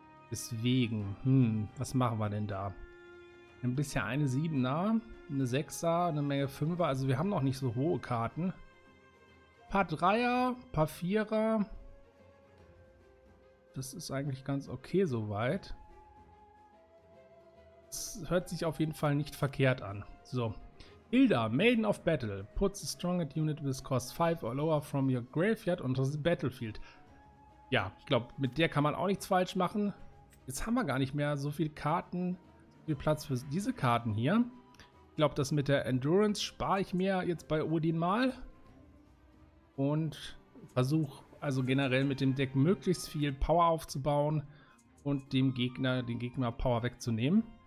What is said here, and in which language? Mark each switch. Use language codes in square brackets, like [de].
[de] Deswegen, was machen wir denn da? Wir haben bisher eine 7er, eine 6er, eine Menge 5er, also wir haben noch nicht so hohe Karten. Paar 3er, paar 4er. Das ist eigentlich ganz okay soweit. Das hört sich auf jeden Fall nicht verkehrt an. So. Hilda, Maiden of Battle. [en] Puts a strongest unit with cost 5 or lower from your graveyard onto the battlefield. [de] Ja, ich glaube, mit der kann man auch nichts falsch machen. Jetzt haben wir gar nicht mehr so viel Karten, so viel Platz für diese Karten hier. Ich glaube, das mit der Endurance spare ich mir jetzt bei Odin mal. Und versuche also generell mit dem Deck möglichst viel Power aufzubauen und dem Gegner, den Gegner Power wegzunehmen.